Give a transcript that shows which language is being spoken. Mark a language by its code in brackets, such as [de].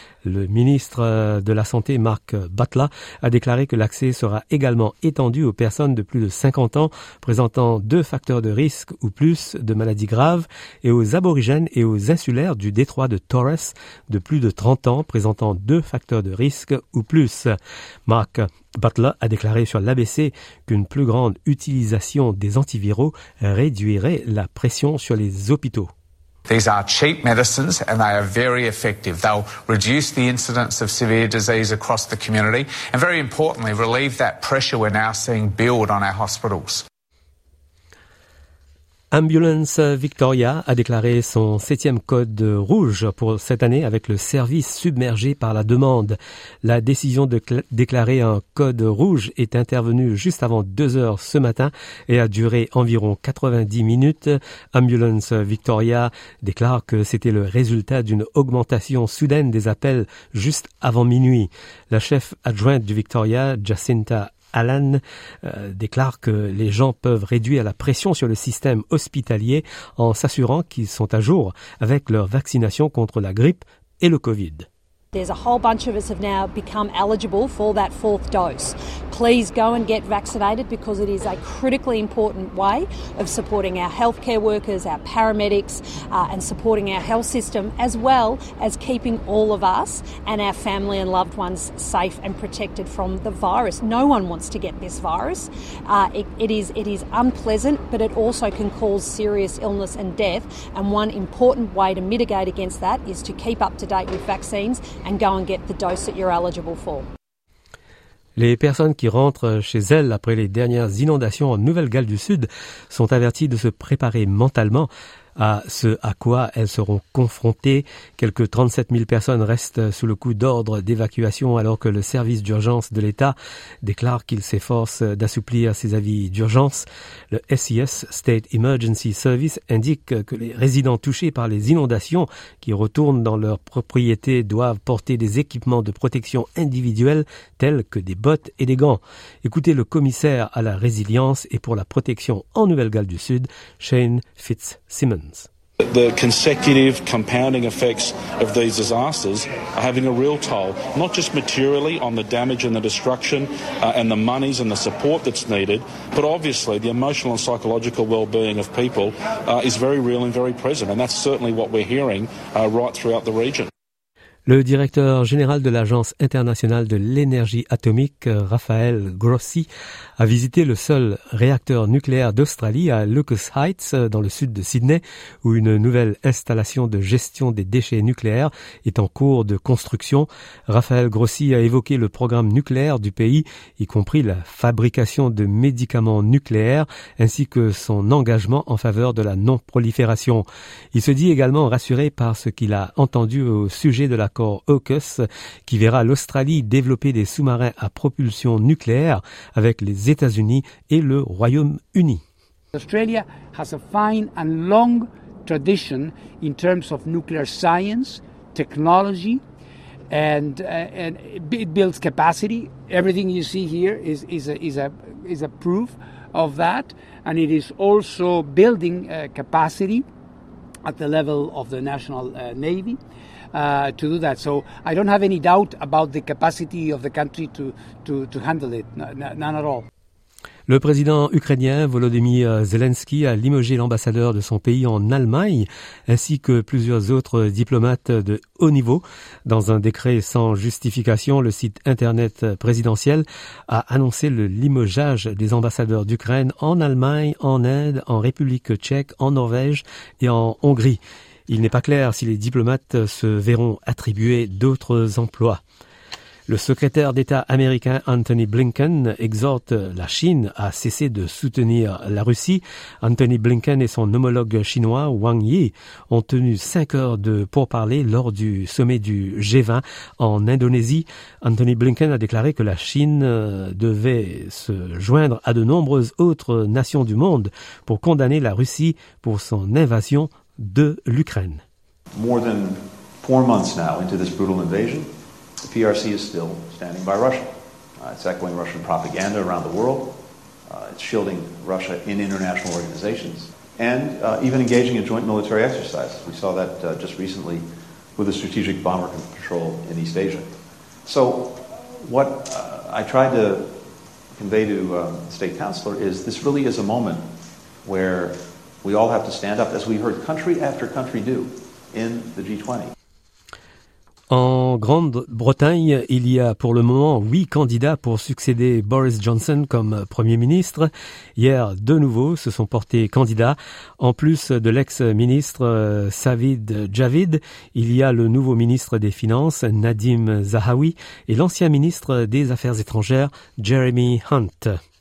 [fr] Le ministre de la Santé, Mark Butler, a déclaré que l'accès sera également étendu aux personnes de plus de 50 ans présentant deux facteurs de risque ou plus de maladies graves et aux aborigènes et aux insulaires du détroit de Torres de plus de 30 ans présentant deux facteurs de risque ou plus. Mark Butler a déclaré sur l'ABC qu'une plus grande utilisation des antiviraux réduirait la pression sur les hôpitaux. [en] These are cheap medicines and they are very effective. They'll reduce the incidence of severe disease across the community and very importantly relieve that pressure we're now seeing build on our hospitals. [fr] Ambulance Victoria a déclaré son 7e code rouge pour cette année avec le service submergé par la demande. La décision de déclarer un code rouge est intervenue juste avant 2h ce matin et a duré environ 90 minutes. Ambulance Victoria déclare que c'était le résultat d'une augmentation soudaine des appels juste avant minuit. La chef adjointe du Victoria, Jacinta Allen, déclare que les gens peuvent réduire la pression sur le système hospitalier en s'assurant qu'ils sont à jour avec leur vaccination contre la grippe et le COVID. [en] There's a whole bunch of us have now become eligible for that fourth dose. Please go and get vaccinated because it is a critically important way of supporting our healthcare workers, our paramedics, and supporting our health system, as well as keeping all of us and our family and loved ones safe and protected from the virus. No one wants to get this virus. It is unpleasant, but it also can cause serious illness and death. And one important way to mitigate against that is to keep up to date with vaccines and go and get the dose that you're eligible for. [fr] Les personnes qui rentrent chez elles après les dernières inondations en Nouvelle-Galles du Sud sont averties de se préparer mentalement à ce à quoi elles seront confrontées. Quelques 37 000 personnes restent sous le coup d'ordre d'évacuation alors que le service d'urgence de l'État déclare qu'il s'efforce d'assouplir ses avis d'urgence. Le SES, State Emergency Service, indique que les résidents touchés par les inondations qui retournent dans leurs propriétés doivent porter des équipements de protection individuelle tels que des bottes et des gants. Écoutez le commissaire à la résilience et pour la protection en Nouvelle-Galles du Sud, Shane Fitzsimmons. [en] The consecutive compounding effects of these disasters are having a real toll, not just materially on the damage and the destruction and the monies and the support that's needed, but obviously the emotional and psychological well-being of people is very real and very present, and that's certainly what we're hearing right throughout the region. [fr] Le directeur général de l'Agence internationale de l'énergie atomique, Raphaël Grossi, a visité le seul réacteur nucléaire d'Australie à Lucas Heights, dans le sud de Sydney, où une nouvelle installation de gestion des déchets nucléaires est en cours de construction. Raphaël Grossi a évoqué le programme nucléaire du pays, y compris la fabrication de médicaments nucléaires, ainsi que son engagement en faveur de la non-prolifération. Il se dit également rassuré par ce qu'il a entendu au sujet de l'accord AUKUS qui verra l'Australie développer des sous-marins à propulsion nucléaire avec les États-Unis et le Royaume-Uni. [en] Australia has a fine and long tradition in terms of nuclear science, technology and it builds capacity. Everything you see here is a proof of that, and it is also building capacity at the level of the National Navy. To do that. So I don't have any doubt about the capacity of the country to handle it. None at all. [fr] Le président ukrainien Volodymyr Zelensky a limogé l'ambassadeur de son pays en Allemagne ainsi que plusieurs autres diplomates de haut niveau. Dans un décret sans justification, le site internet présidentiel a annoncé le limogeage des ambassadeurs d'Ukraine en Allemagne, en Inde, en République tchèque, en Norvège et en Hongrie. Il n'est pas clair si les diplomates se verront attribuer d'autres emplois. Le secrétaire d'État américain Anthony Blinken exhorte la Chine à cesser de soutenir la Russie. Anthony Blinken et son homologue chinois Wang Yi ont tenu 5 heures de pourparlers lors du sommet du G20 en Indonésie. Anthony Blinken a déclaré que la Chine devait se joindre à de nombreuses autres nations du monde pour condamner la Russie pour son invasion de l'Ukraine. [en] More than 4 months now into this brutal invasion, The PRC is still standing by Russia. It's echoing Russian propaganda around the world. It's shielding Russia in international organizations. And even engaging in joint military exercises. We saw that just recently with the strategic bomber control in East Asia. So what I tried to convey to State Councilor is this really is a moment where we all have to stand up, as we heard country after country do in the G20. [fr] En Grande-Bretagne, il y a pour le moment 8 candidats pour succéder Boris Johnson comme Premier ministre. Hier, de nouveau, se sont portés candidats. En plus de l'ex-ministre Savid Javid, il y a le nouveau ministre des Finances, Nadim Zahawi, et l'ancien ministre des Affaires étrangères, Jeremy Hunt.